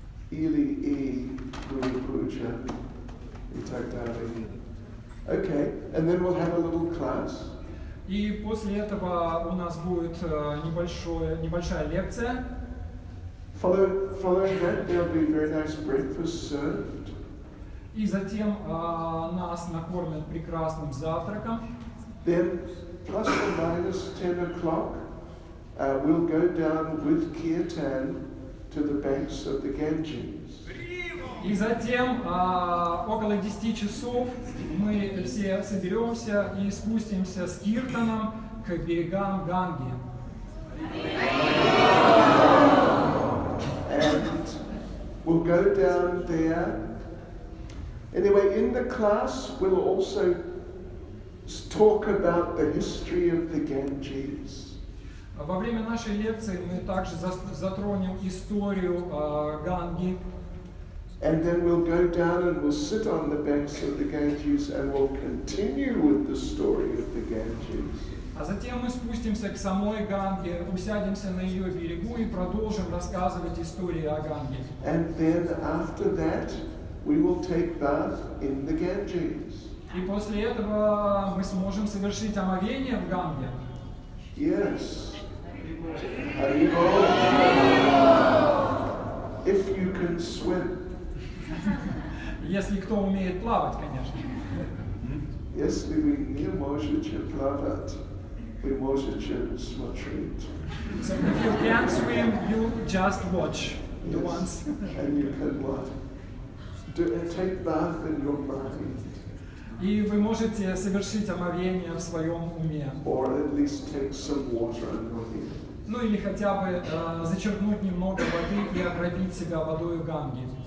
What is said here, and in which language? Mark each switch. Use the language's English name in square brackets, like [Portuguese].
[Russian] Или и Гуру Пуджа и так далее. [English] Okay, and then we'll have a little class. [Russian] И после этого у нас будет небольшая лекция. [English] Following that, there'll be very nice breakfast served. [Russian] И затем нас накормят прекрасным завтраком. [English] Then, plus or minus 10 o'clock, we'll go down with Kirtan to the banks of the Ganges. [Russian] И затем около 10 часов мы все соберемся и спустимся с Киртаном к берегам Ганги. [English] And we'll go down there. Anyway, in the class we'll also talk about the history of the Ganges. [Russian] Во время нашей лекции мы также затронем историю Ганги. [English] And then we'll go down and we'll sit on the banks of the Ganges and we'll continue with the story of the Ganges. [Russian] А затем мы спустимся к самой Ганге, усядемся на ее берегу и продолжим рассказывать истории о Ганге. [English] And then after that we will take bath in the Ganges. [Russian] И после этого мы сможем совершить омовение в Ганге. [English] Yes. Hare Bol. If you can swim. [Russian] Если кто умеет плавать, конечно. Если вы не можете плавать, вы можете смотреть. [English] So if you can't swim, you just watch. Yes. The ones. And you can what? Do take bath in your mind. [Russian] И вы можете совершить омовение в своем уме. [English] Or at least take some water in your head. [Russian] Ну или хотя бы зачерпнуть немного воды и оградить себя водой в Ганге.